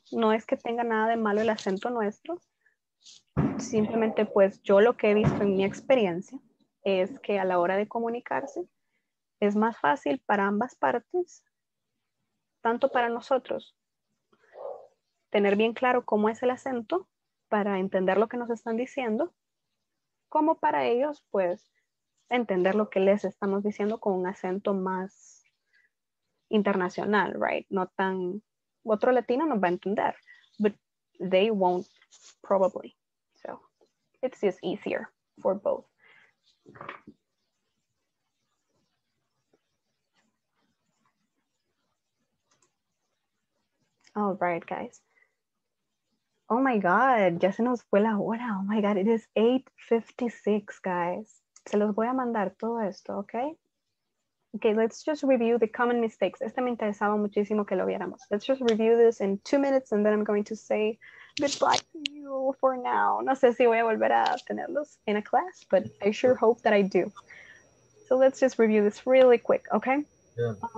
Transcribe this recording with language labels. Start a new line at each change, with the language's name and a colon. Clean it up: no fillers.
Spanish: No es que tenga nada de malo el acento nuestro, simplemente pues yo lo que he visto en mi experiencia es que a la hora de comunicarse es más fácil para ambas partes, tanto para nosotros tener bien claro cómo es el acento para entender lo que nos están diciendo, como para ellos, pues, entender lo que les estamos diciendo con un acento más internacional, right? No tan, otro latino nos va a entender,
English: but they won't, probably. So, it's just easier for both. All right, guys. Oh my God,
Spanish: ya se nos fue la hora.
English: Oh my God, it is 8:56, guys.
Spanish: Se los voy a mandar todo esto, okay?
English: Okay, let's just review the common mistakes.
Spanish: Este me interesaba muchísimo que lo viéramos.
English: Let's just review this in 2 minutes and then I'm going to say goodbye to you for now.
Spanish: No sé si voy a volver a tenerlos
English: in a class, but I sure hope that I do. So let's just review this really quick, okay? Yeah.